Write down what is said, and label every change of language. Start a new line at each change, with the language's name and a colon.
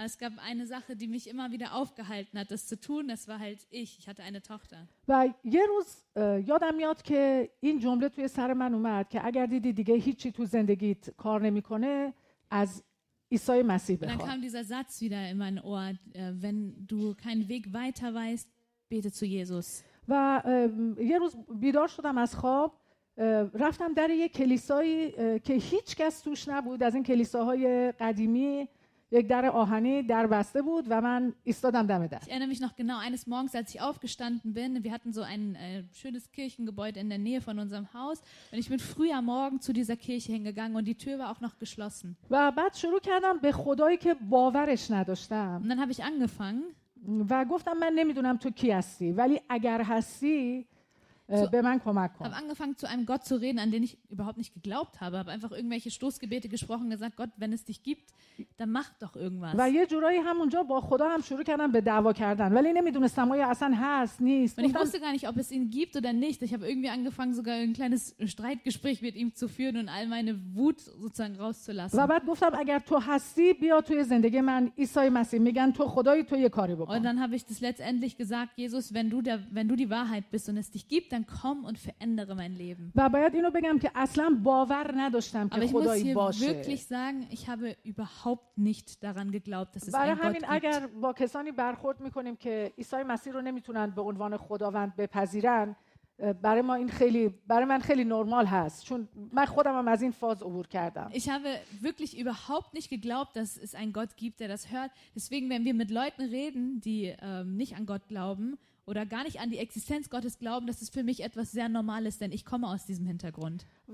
German: Es gab eine Sache, die mich immer wieder aufgehalten hat, das zu tun, das war halt ich. Ich hatte eine Tochter.
Persian: و یه روز یادم میاد که این جمله توی سر من اومد که اگر دیدی دیگه هیچی تو زندگیت کار نمی‌کنه از عیسی مسیح بخوا.
German: Dann kam dieser Satz wieder in mein Ohr, wenn du keinen Weg weiter weißt, bete zu Jesus.
Persian: و یه روز بیدار شدم از خواب رفتم در یک کلیسایی که هیچ کس توش نبود از این کلیساهای قدیمی یک در آهنی در بسته بود و من ایستادم دم در.
German: Ich erinnere mich noch genau eines Morgens, als ich aufgestanden bin. Wir hatten so ein schönes Kirchengebäude in der Nähe von unserem Haus und ich bin früh am Morgen zu dieser Kirche hingegangen und die Tür war auch noch geschlossen.
Persian: و بعد شروع کردم به خدایی که باورش نداشتم.
German: Und dann habe ich angefangen.
Persian: و گفتم من نمیدونم تو کی هستی ولی اگر هستی به من کمک کن.
German: Habe angefangen zu einem Gott zu reden, an den ich überhaupt nicht geglaubt habe, habe einfach irgendwelche Stoßgebete gesprochen, gesagt, Gott, wenn es dich gibt, dann mach doch irgendwas.
Persian: و یه جورایی همونجا با خدا هم شروع کردم به دعوا کردن ولی نمیدونستم آیا اصلا هست نیست.
German: Und ich wusste gar nicht, ob es ihn gibt oder nicht. Ich habe irgendwie angefangen sogar ein kleines Streitgespräch mit ihm zu führen und all meine Wut sozusagen rauszulassen.
Persian: و بعد گفتم اگر تو هستی بیا توی زندگی من عیسی مسیح میگن تو خدای تو یه کاری بکن.
German: Und dann habe ich das letztendlich gesagt, Jesus, wenn du die Wahrheit bist und es dich gibt, dann komm und verändere mein Leben.
Persian: باید اینو بگم که اصلا باور نداشتم که خدایی باشه.
German: Aber ich muss hier wirklich sagen, ich habe überhaupt nicht daran geglaubt, dass es ein Gott gibt.
Persian: اگر با کسانی برخورد میکنیم که عیسی مسیح رو نمیتونن به عنوان خداوند بپذیرن، برای ما این خیلی برای من خیلی نرمال هست چون من خودم هم از این فاز عبور کردم.
German: Ich habe wirklich überhaupt nicht geglaubt, dass es ein Gott gibt, der das hört. Deswegen wenn wir mit Leuten reden, die nicht an Gott glauben, oder gar nicht an die Existenz Gottes glauben, das ist für mich etwas sehr Normales, denn ich komme aus diesem Hintergrund.